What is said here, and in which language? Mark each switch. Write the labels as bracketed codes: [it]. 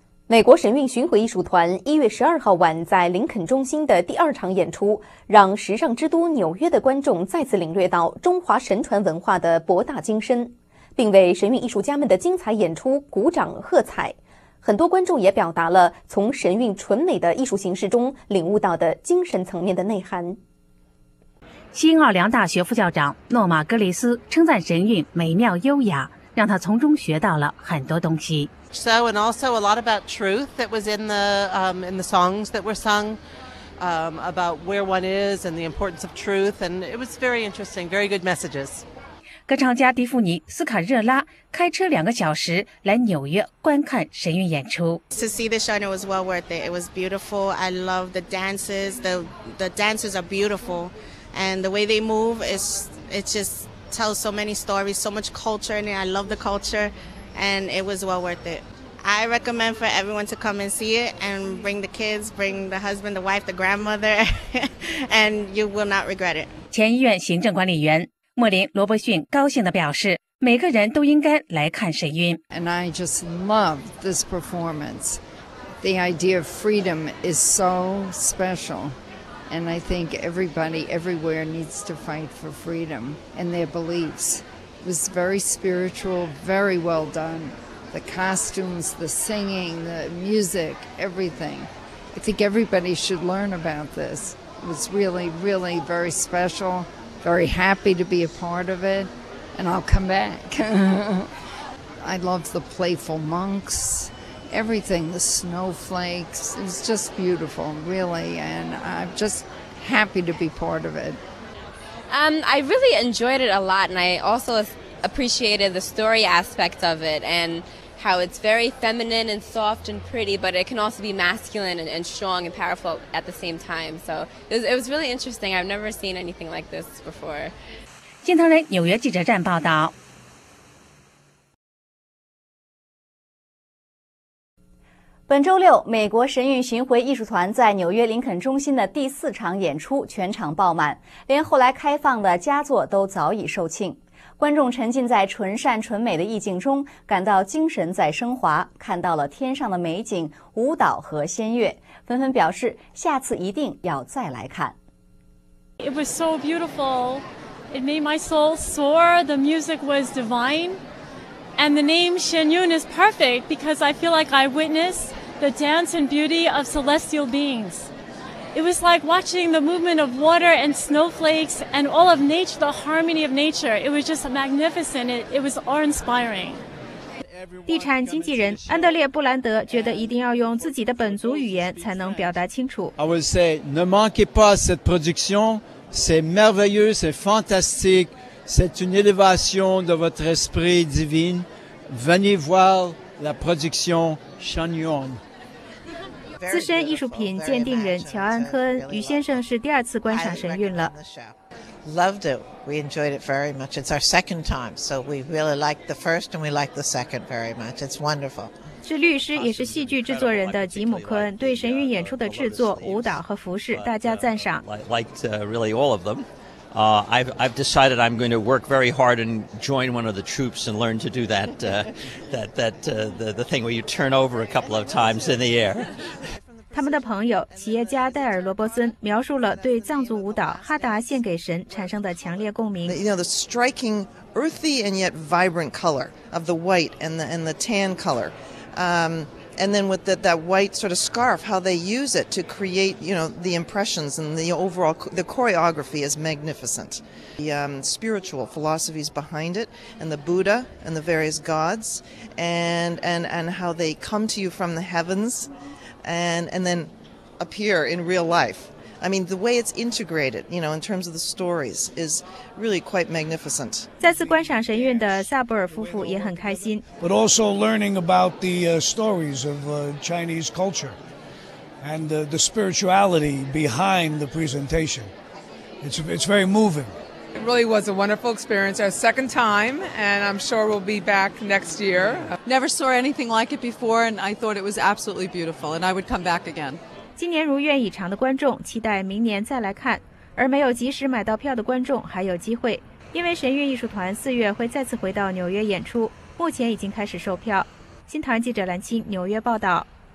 [zh] 美国神韵巡回艺术团1月12号晚在林肯中心的第二场演出，让时尚之都纽约的观众再次领略到中华神传文化的博大精深，并为神韵艺术家们的精彩演出鼓掌喝彩。很多观众也表达了从神韵纯美的艺术形式中领悟到的精神层面的内涵。新奥尔良大学副校长诺玛·格雷斯称赞神韵美妙优雅，让他从中学到了很多东西。 [en] So, and also a lot about truth that was in the songs that were sung, about where one is and the importance of truth, and it was very interesting, very good messages. [zh] 歌唱家迪芙妮·斯卡热拉开车两个小时来纽约观看神韵演出。 [en] To see the show, it was well worth it. It was beautiful. I love the dances. The dancers are beautiful, and the way they move it's just tells so many stories, so much culture in it. I love the culture. And it was well worth it. I recommend for everyone to come and see it and bring the kids, bring the husband, the wife, the grandmother, and you will not regret it. [zh] 前医院行政管理员莫林·罗伯逊高兴地表示，每个人都应该来看神韵。 [en] And I just love this performance. The idea of freedom is so special. And I think everybody everywhere needs to fight for freedom and their beliefs. Was very spiritual, very well done. The costumes, the singing, the music, everything. I think everybody should learn about this. It was really, really very special, very happy to be a part of it, and I'll come back. I loved the playful monks, everything, the snowflakes. It was just beautiful, really, and I'm just happy to be part of it. I really enjoyed it a lot, and I also appreciated the story aspect of it and how it's very feminine and soft and pretty, but it can also be masculine and strong and powerful at the same time. So it was really interesting. I've never seen anything like this before. [zh] 金腾人纽约记者站报道。本周六，美国神韵巡回艺术团在纽约林肯中心的第四场演出全场爆满，连后来开放的佳作都早已售罄。观众沉浸在纯善纯美的意境中，感到精神在升华，看到了天上的美景、舞蹈和仙乐，纷纷表示下次一定要再来看。 [en] It was so beautiful. It made my soul soar. The music was divine. And the name Shen Yun is perfect because I feel like I witnessed the dance and beauty of celestial beings. It was like watching the movement of water and snowflakes and all of nature, the harmony of nature. It was just magnificent. It was awe-inspiring. [zh] 地产经纪人安德烈·布兰德觉得一定要用自己的本族语言才能表达清楚。 [en] I would say, [fr] ne manquez pas cette production. C'est merveilleux, c'est fantastique. C'est une élévation de votre esprit divin. Venez voir la production Shen Yun. [zh] 资深艺术品鉴定人乔安科恩于先生是第二次观赏神韵了。 [en] Loved it. We enjoyed it very much. It's our second time, so we really liked the first and we liked the second very much. It's wonderful. [zh] 是律师也是戏剧制作人的吉姆科恩对神韵演出的制作、舞蹈和服饰大加赞赏。 [en] Liked really all of them. I've decided I'm going to work very hard and join one of the troops and learn to do that, the thing where you turn over a couple of times in the air. [zh] 他们的朋友企业家戴尔·罗伯森描述了对藏族舞蹈《哈达献给神》产生的强烈共鸣。 [en] You know, the striking earthy and yet vibrant color of the white and the tan color. And then with that white sort of scarf, how they use it to create, you know, the impressions and the overall, the choreography is magnificent. The spiritual philosophies behind it and the Buddha and the various gods and how they come to you from the heavens and then appear in real life. I mean, the way it's integrated, you know, in terms of the stories is really quite magnificent. [zh] 再次观赏神韵的萨布尔夫妇也很开心。 [en] But also learning about the stories of Chinese culture and the spirituality behind the presentation. It's very moving. It really was a wonderful experience. Our second time, and I'm sure we'll be back next year. Never saw anything like it before, and I thought it was absolutely beautiful, and I would come back again. [zh] 今年如愿以偿的观众期待明年再来看，而没有及时买到票的观众还有机会，因为神韵艺术团四月会再次回到纽约演出，目前已经开始售票。新唐人记者蓝青纽约报道。